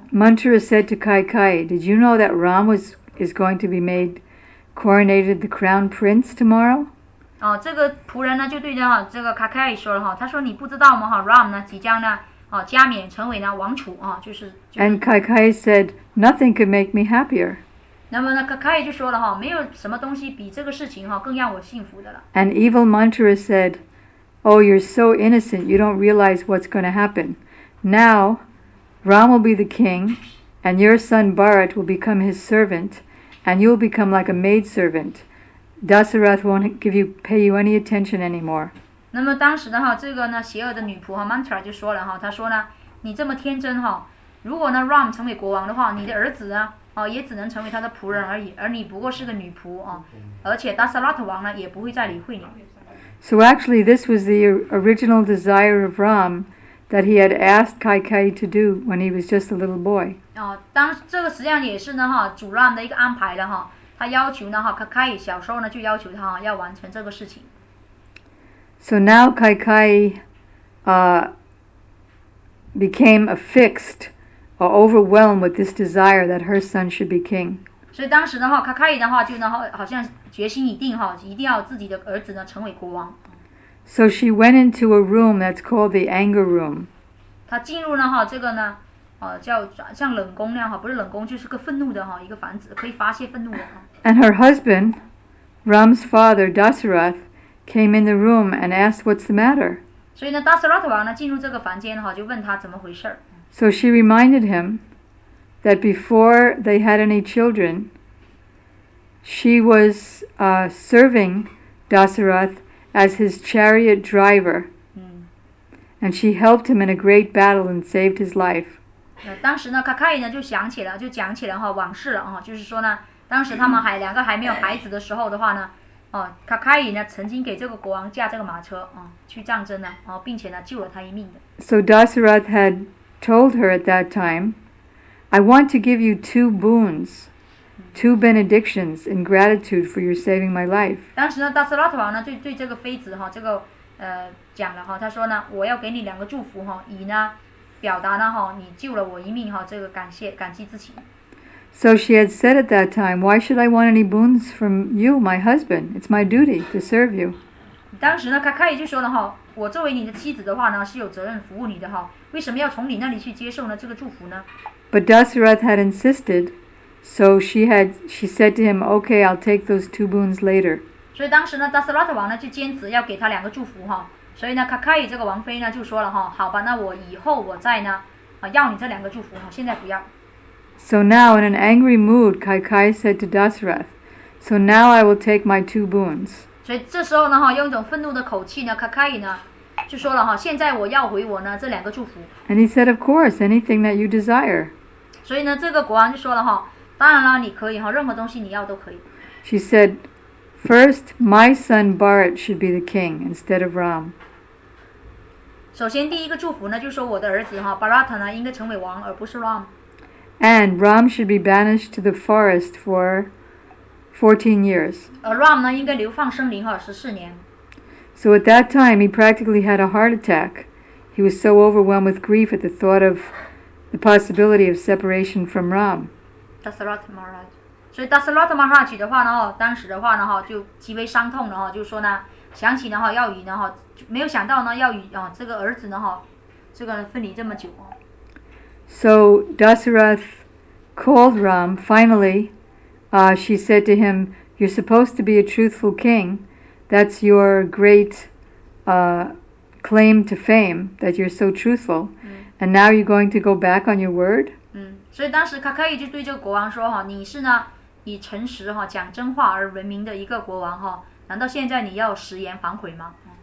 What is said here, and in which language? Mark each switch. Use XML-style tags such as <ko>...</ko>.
<en>Mantra said to Kai Kai, "Did you know that Ram is going to be made coronated the crown prince tomorrow?"</en> <zh>哦，这个仆人呢就对着这个卡卡伊说了哈，他说你不知道吗哈 ，Ram 呢即将呢。加冕成为呢王储啊，就是。</zh> <en>And Kai Kai said, "Nothing could make me happier."</en> <zh>那么呢，卡卡伊就说了哈，没有什么东西比这个事情哈更让我幸福的了。</zh> <en>And evil Mantra said, "Oh, you're so innocent. You don't realize what's going to happen. Now, Ram will be the king, and your son Bharat will become his servant, and you'll become like a maid servant. Dasarath won't pay you any attention anymore."</en> <zh>那么当时的哈，这个呢，邪恶的女仆哈 ，Mantra 就说了哈，她说呢，你这么天真哈，如果呢 Ram 成为国王的话，你的儿子呢，也只能成为他的仆人而已，而你不过是个女仆啊，而且 Dasarath 王呢，也不会再理会你。</zh> <en>So actually, this was the original desire of Ram that he had asked Kai Kai to do when he was just a little boy.</en> <zh>哦，当这个实际上也是呢哈，主 Ram 的一个安排了哈，他要求呢哈，卡卡小时候呢就要求他哈，要完成这个事情。</zh> <en>So now Kai Kai became affixed or overwhelmed with this desire that her son should be king.</en> <zh>所以当时的话，卡卡伊的话就然后好像决心已定哈，一定要自己的儿子呢成为国王。</zh> <en>So she went into a room that's called the anger room.</en> <zh>她进入了哈这个呢，叫像冷宫那样哈，不是冷宫，就是个愤怒的哈一个房子，可以发泄愤怒的。</zh> <en>And her husband, Ram's father, Dasarath. Came in the room and asked, "What's the matter?"</en> <zh>所以呢 ，Dasarath 王呢进入这个房间哈，就问他怎么回事。</zh> <en>So she reminded him that before they had any children, she was serving Dasarath as his chariot driver, and she helped him in a great battle and saved his life.</en> <zh>当时呢，卡卡伊呢就想起了，就讲起了哈往事了啊，就是说呢，当时他们还两个还没有孩子的时候的话呢。卡卡伊呢曾经给这个国王驾这个马车去战争呢并且呢救了他一命的。</zh> <en>So Dasarath had told her at that time, "I want to give you two boons, two benedictions in gratitude for your saving my life."</en> <zh>当时呢 ，Dasarath 王呢对这个妃子这个讲了他说呢，我要给你两个祝福以呢表达呢你救了我一命这个感激之情。</zh> <en>So she had said at that time, "Why should I want any boons from you, my husband? It's my duty to serve you."</en> <zh>当时呢，卡卡伊就说了哈，我作为你的妻子的话呢，是有责任服务你的哈，为什么要从你那里去接受呢这个祝福呢</zh> <en>？But Dasarath had insisted, so she said to him, "Okay, I'll take those two boons later."</en> <zh>所以当时呢 ，Dasarath 王呢就坚持要给他两个祝福哈，所以呢，卡卡伊这个王妃呢就说了哈，好吧，那我以后我再呢要你这两个祝福哈，现在不要。</zh> <en>So now, in an angry mood, Kai Kai said to Dasarath, "So now I will take my two boons."</en> <zh>所以这时候呢，哈，用一种愤怒的口气呢，卡卡伊呢就说了哈，现在我要回我呢这两个祝福。</zh> <en>And he said, "Of course, anything that you desire."</en> <zh>所以呢，这个国王就说了哈，当然了，你可以哈，任何东西你要都可以。</zh> <en>She said, "First, my son Bharat should be the king instead of Ram."</en> <zh>首先第一个祝福呢，就说我的儿子哈 ，Bharat 呢应该成为王，而不是 Ram。</zh> <en>And Ram should be banished to the forest for 14 years.</en> <zh>Ram 呢应该流放生灵哈十四年。</zh> <en>So at that time, he practically had a heart attack. He was so overwhelmed with grief at the thought of the possibility of separation from Ram. Dasarath Maharaj.</en> <zh>所以 Dasarath Maharaj 的话呢，当时的话呢，就极为伤痛的哈，就说呢，想起呢哈要与呢哈，没有想到呢要与这个儿子呢哈，这个分离这么久。</zh> <en>So Dasarath called Ram. Finally, she said to him, "You're supposed to be a truthful king. That's your great claim to fame, that you're so truthful. And now you're going to go back on your word?"</en> <zh>所以当时卡卡伊就对这个国王说哈，你是呢以诚实哈讲真话而闻名的一个国王哈，难道现在你要食言反悔吗？</zh>